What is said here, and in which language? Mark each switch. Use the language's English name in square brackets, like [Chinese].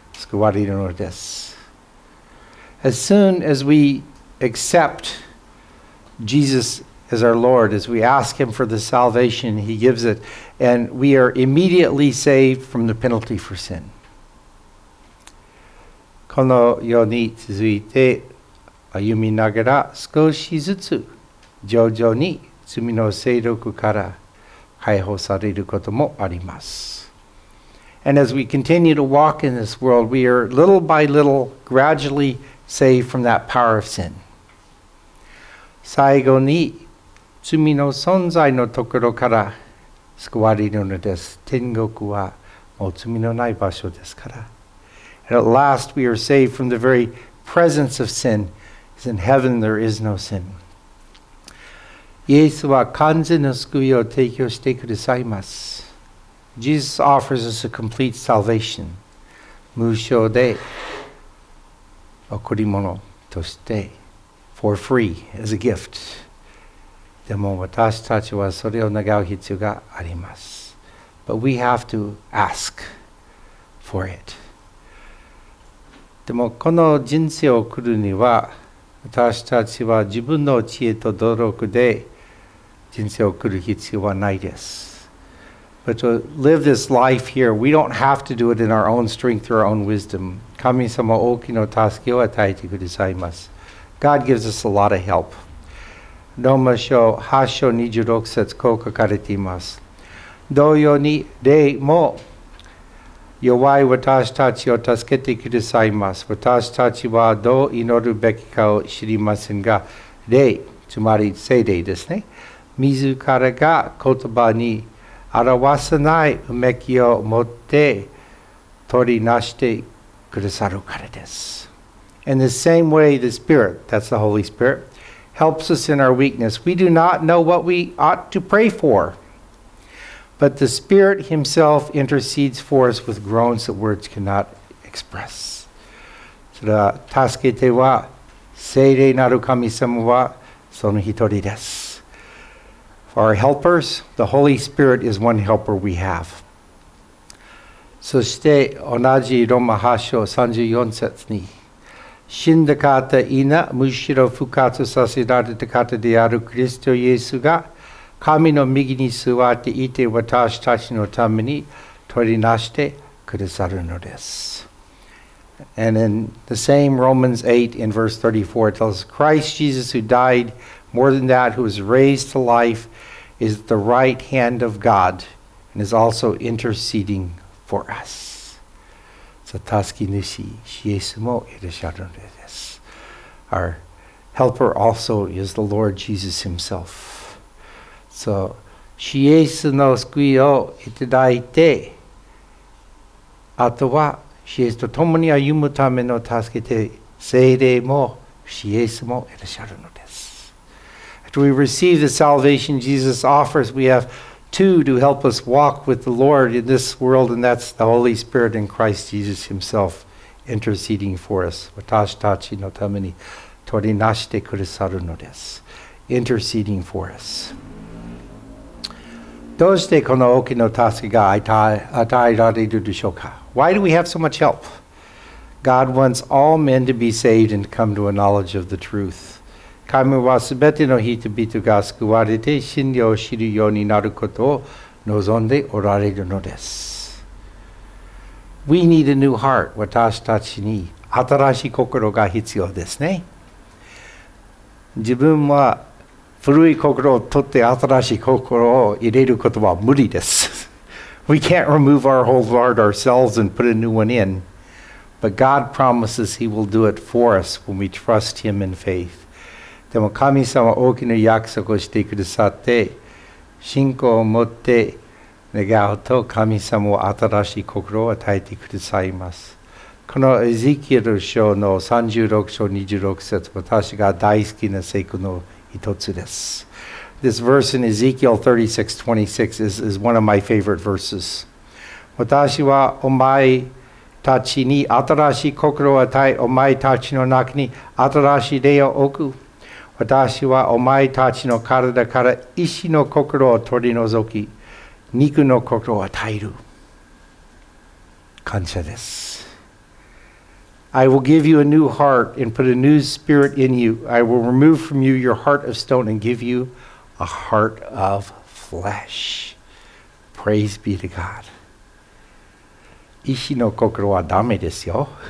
[Japanese] 救われるのです。 [English] As soon as we accept Jesus as our Lord, as we ask Him for the salvation, He gives it, and we are immediately saved from the penalty for sin. [Japanese] この世に続いて歩みながら少しずつ徐々に罪の勢力から解放されることもあります。 [English] And as we continue to walk in this world, we are little by little gradually saved from that power of sin. [Japanese] 最後に罪の存在のところから救われるのです。天国はもう罪のない場所ですから。 [English] And at last we are saved from the very presence of sin, because in heaven there is no sin. [Japanese] イエスは完全な救いを提供してくださいます。 [English] Jesus offers us a complete salvation. [Japanese] 無償で贈り物として [English] for free, as a gift. [Japanese] でも私たちはそれを願う必要があります。 [English] But we have to ask for it. [Japanese] でもこの人生を送るには私たちは自分の知恵と努力で人生を送る必要はないです。 [English] But to live this life here, we don't have to do it in our own strength or our own wisdom. [Japanese] 神様は大きな助けを与えてくださいます。 [English] God gives us a lot of help. [Japanese] ローマ書8章26節こう書かれています。同様に、霊も弱い私たちを助けてくださいます。私たちはどう祈るべきかを知りませんが、霊、つまり聖霊ですね。自らが言葉に表さないうめきを持って取りなしてくださるからです。 [English] In the same way, the Spirit, that's the Holy Spirit, helps us in our weakness. We do not know what we ought to pray for, but the Spirit Himself intercedes for us with groans that words cannot express. [Japanese] それは助けては聖霊なる神様はその一人です。 [English] Our helpers, the Holy Spirit is one helper we have. [Japanese] そして同じローマ8章34節に死んだ方いな、むしろ復活させられた方であるキリストイエスが神の右に座っていて私たちのために取りなしてくださるのです。 [English] And in the same Romans 8 in verse 34 it tells Christ Jesus who died more than that who was raised to life is the right hand of God and is also interceding for us. So, [Japanese] 助け主、イエスもいらっしゃるのです。 [English] Our helper also is the Lord Jesus himself. So, [Japanese] イエスの救いをいただいて、あとは、イエスと共に歩むための助けて、聖霊も、イエスもいらっしゃるのです。 [English] After we receive the salvation Jesus offers, we have two to help us walk with the Lord in this world, and that's the Holy Spirit and Christ Jesus Himself interceding for us. [Japanese] 私たちのために取りなしてくださるのです。 [English] Interceding for us. [Japanese] どうしてこの大きな助けが与えられるでしょうか? [English] Why do we have so much help? God wants all men to be saved and come to a knowledge of the truth. [Japanese] 神はすべての人々が救われて真理を知るようになることを望んでおられるのです。 [English] We need a new heart. [Japanese] 私たちに新しい心が必要ですね。自分は古い心を取って新しい心を入れることは無理です。 [English] We can't remove our old heart ourselves and put a new one in. But God promises He will do it for us when we trust Him in faith. [Japanese] でも神様は大きな約束をしてくださって信仰を持って願うと神様は新しい心を与えてくださいます。このエゼキエル書の36章26節、私が大好きな聖句の一つです。 [English] This verse in Ezekiel 36:26 is one of my favorite verses. [Japanese] 私はお前たちに新しい心を与え、お前たちの中に新しい霊を置く。私はお前たちの体から石の心を取り除き、肉の心を与える。感謝です。 [English] I will give you a new heart and put a new spirit in you. I will remove from you your heart of stone and give you a heart of flesh. Praise be to God. [Japanese] 石の心はダメですよ。